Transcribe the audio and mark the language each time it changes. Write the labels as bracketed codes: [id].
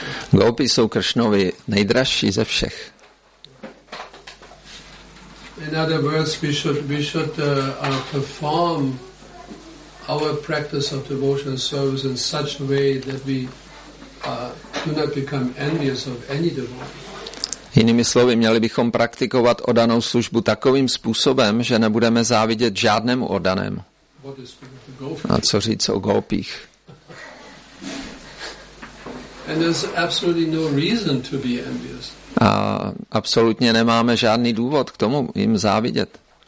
[cs] Gopi jsou Kršnovi nejdražší ze všech. [en] In other words, we should perform our practice of devotional service in such a way that we do not become envious of any devotee. [cs] Jinými slovy, měli bychom praktikovat oddanou službu takovým způsobem, že nebudeme závidět žádnému oddanému. A co říct o gopích? [en] And there's absolutely no reason to be envious. [cs] A absolutně nemáme žádný důvod k tomu jim závidět.